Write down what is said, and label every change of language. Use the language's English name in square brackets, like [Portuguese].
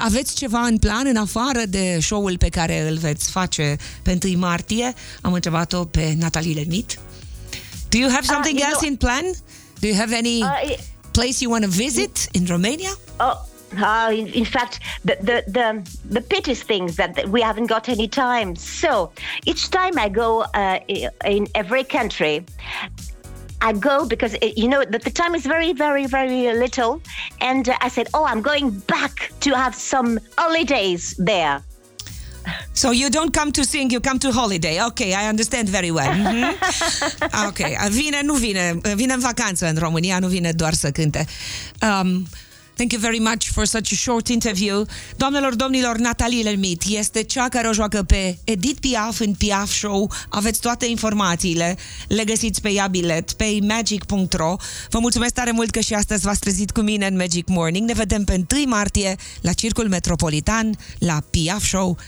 [Romanian] Aveți ceva în plan în afară de show-ul pe care îl veți face pe 1 martie? Am întrebat-o pe Nathalie Lemit. [English] Do you have something you else know, in plan? Do you have any place you want to visit in Romania? In fact, the pettiest thing is that we haven't got any time. So, each time I go in every country, I go because, you know, the time is very, very, very little. And I said, oh, I'm going back to have some holidays there. So you don't come to sing, you come to holiday. Okay, I understand very well. Mm-hmm. Okay, [Romanian] vine, nu vine. Vine în vacanță în România, nu vine doar să cânte. [English] Thank you very much for such a short interview. [Romanian] Doamnelor, domnilor, Nathalie Lemit este cea care o joacă pe Edith Piaf în Piaf Show. Aveți toate informațiile, le găsiți pe ea bilet, pe magic.ro. Vă mulțumesc tare mult că și astăzi v-ați trezit cu mine în Magic Morning. Ne vedem pe 1 martie la Circul Metropolitan, la Piaf Show.